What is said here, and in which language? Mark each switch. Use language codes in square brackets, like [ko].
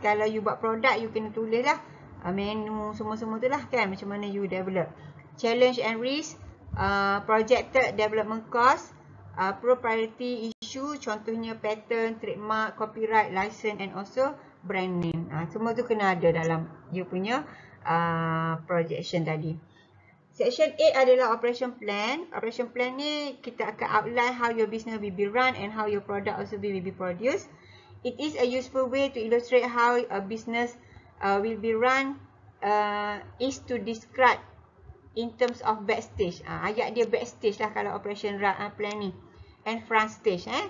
[ms] Kalau you buat product, you kena tulis lah menu semua-semua tu lah kan, macam mana you develop. [en] Challenge and risk, projected development cost, priority issue, [ms] contohnya [en] pattern, trademark, copyright, license and also brand name. [ms] Semua tu kena ada dalam you punya projection tadi. [en] Section 8 [ms] adalah [en] operation plan. Operation plan [ms] ni kita akan [en] outline how your business will be run and how your product also will be produced. It is a useful way to illustrate how a business will be run is to describe in terms of backstage. [ms] Ayat dia backstage lah kalau operation plan ni. [en] And front stage.